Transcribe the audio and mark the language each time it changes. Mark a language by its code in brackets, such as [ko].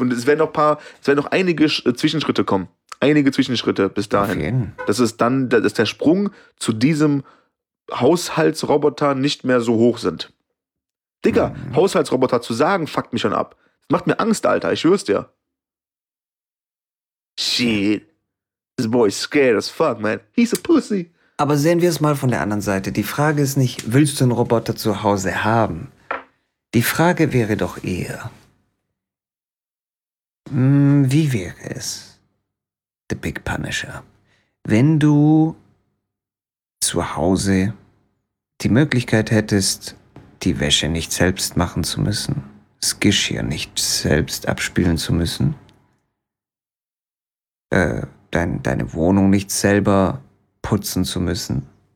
[de] Und es werden noch einige Zwischenschritte kommen. Einige Zwischenschritte bis dahin. Dass der Sprung zu diesem Haushaltsroboter nicht mehr so hoch sind. Digga, Haushaltsroboter zu sagen, fuckt mich schon ab. Das macht mir Angst, Alter, ich schwör's dir. [en] Shit. This boy's scared as fuck, man. He's a pussy. [de] Aber sehen wir es mal von der anderen Seite. Die Frage ist nicht, willst du einen Roboter zu Hause haben? Die Frage wäre doch eher, wie wäre es, The Big Punisher, wenn du zu Hause die Möglichkeit hättest, die Wäsche nicht selbst machen zu müssen, das Geschirr nicht selbst abspülen zu müssen, deine Wohnung nicht selber putzen zu müssen.